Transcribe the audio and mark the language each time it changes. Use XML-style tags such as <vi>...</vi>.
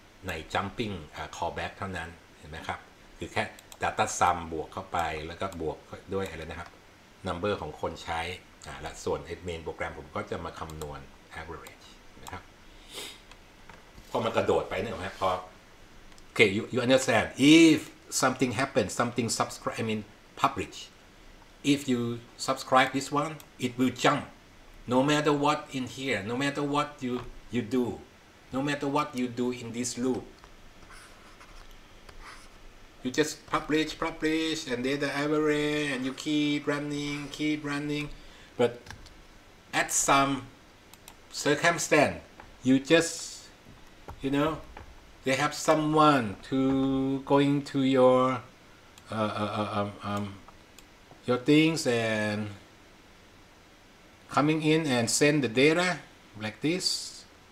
<th>น jumping callback เท่านั้นเห็นไหมครับคือแค่ data sum บวกเข้าไปแล้วก็บวกด้วยอะไรนะครับ number ของคนใช้และส่วนเมนโปรแกรมผมก็จะมาคำนวณ average นะครับพอมันกระโดดไปเนี่ยครับพอ</th> <en>okay you understand if something happens something subscribe I mean publishIf you subscribe this one, it will jump. No matter what in here, no matter what you do, no matter what you do in this loop, you just publish, and data average, and you keep running. But at some circumstance, you just, you know, they have someone to going to your, your things and coming in and send the data like this</en>